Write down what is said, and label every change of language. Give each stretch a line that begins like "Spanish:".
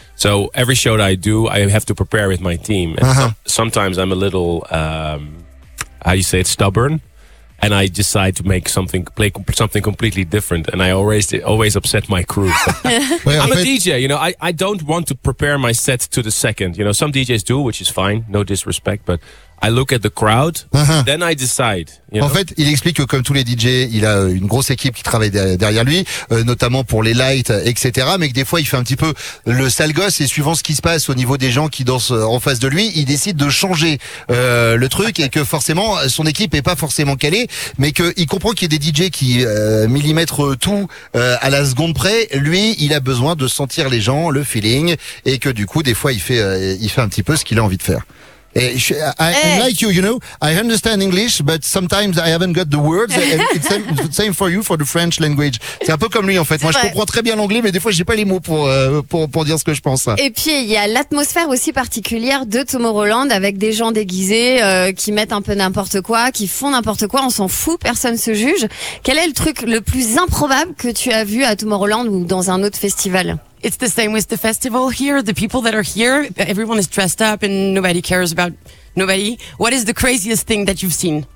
English: So every show that I do, I have to prepare with my team. And sometimes I'm a little, how you say it, stubborn. And I decide to make something, play something completely different. And I always upset my crew. Ouais, I'm a DJ, you know, I don't want to prepare my set to the second. You know, some DJs do, which is fine. No disrespect, but I look at the crowd. Then I decide. You know?
French: En fait, il explique que comme tous les DJ, il a une grosse équipe qui travaille derrière lui, notamment pour les lights, etc. Mais que des fois, il fait un petit peu le sale gosse et suivant ce qui se passe au niveau des gens qui dansent en face de lui, il décide de changer le truc et que forcément, son équipe est pas forcément calée, mais qu'il comprend qu'il y ait des DJ qui millimètrent tout à la seconde près. Lui, il a besoin de sentir les gens, le feeling, et que du coup, des fois, il fait un petit peu ce qu'il a envie de faire.
English: Like you, you know, I understand English, but sometimes I haven't got the words. It's same for you, for the French language.
French: C'est un peu comme lui, en fait. Je comprends très bien l'anglais, mais des fois, j'ai pas les mots pour dire ce que je pense. Et puis, il y a l'atmosphère aussi particulière de Tomorrowland avec des gens déguisés, qui mettent un peu n'importe quoi, qui font n'importe quoi. On s'en fout. Personne se juge. Quel est le truc le plus improbable que tu as vu à Tomorrowland ou dans un autre festival?
English: It's the same with the festival here. The people that are here, everyone is dressed up and nobody cares about nobody. What is the craziest thing that you've seen?